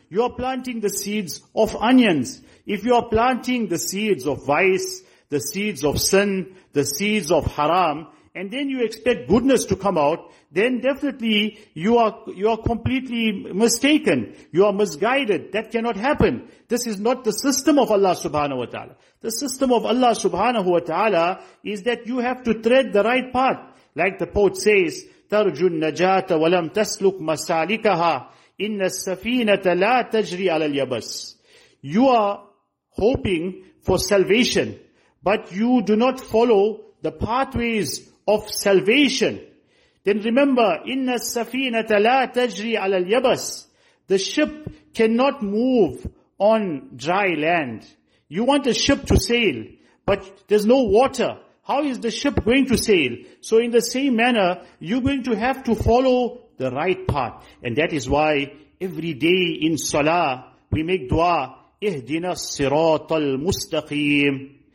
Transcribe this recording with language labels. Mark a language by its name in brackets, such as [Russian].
[English] You are planting the seeds of onions. If you are planting the seeds of vice, the seeds of sin, the seeds of haram, and then you expect goodness to come out, then definitely you are completely mistaken. You are misguided. That cannot happen. This is not the system of Allah subhanahu wa ta'ala. The system of Allah subhanahu wa ta'ala is that you have to tread the right path. Like the poet says, [Arabic] تَرْجُ النَّجَاةَ وَلَمْ تَسْلُكْ مَسَالِكَهَا إِنَّ السَّفِينَةَ لَا تَجْرِي عَلَى الْيَبَسِ. [English] You are hoping for salvation, but you do not follow the pathways of salvation. Then remember, [Arabic] إِنَّ السَّفِينَةَ لَا تَجْرِي عَلَى الْيَبَسِ. [English] The ship cannot move on dry land. You want a ship to sail, but there's no water. How is the ship going to sail? So in the same manner, you're going to have to follow the right path. And that is why every day in salah, we make dua, [Arabic] اِهْدِنَا الصِّرَاطَ الْمُسْتَقِيمِ.